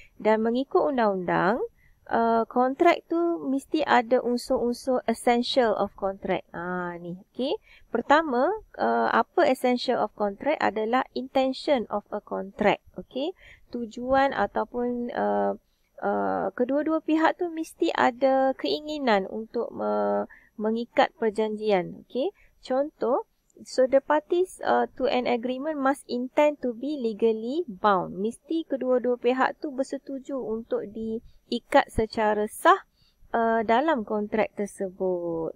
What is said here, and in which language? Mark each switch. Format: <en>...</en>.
<ms>Dan mengikut undang-undang, kontrak tu mesti ada unsur-unsur essential of contract. Okay. Pertama, apa essential of contract adalah intention of a contract. Okay. Tujuan ataupun kedua-dua pihak tu mesti ada keinginan untuk mengikat perjanjian. Okay. Contoh,</ms> <en>so the parties to an agreement must intend to be legally bound.</en> <ms>Mesti kedua-dua pihak tu bersetuju untuk diikat secara sah dalam kontrak tersebut.</ms>